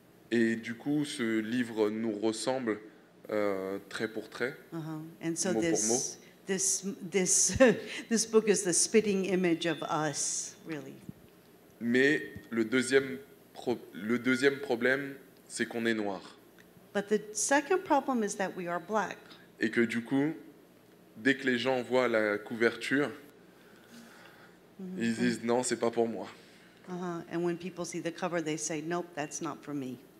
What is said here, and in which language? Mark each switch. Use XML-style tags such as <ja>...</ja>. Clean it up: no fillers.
<fr>Et du coup, ce livre nous ressemble trait pour trait,</fr> <en>And so</en> <fr>mot pour mot.</fr> <en>This book is the spitting image of us, really.</en> <fr>Mais le deuxième problème, c'est qu'on est noir.</fr> <en>But the second problem is that we are black.</en> <fr>Et que du coup, dès que les gens voient la couverture, ils disent non, c'est pas pour moi.</fr> <en>And when people see the cover, they say, nope, that's not for me.</en>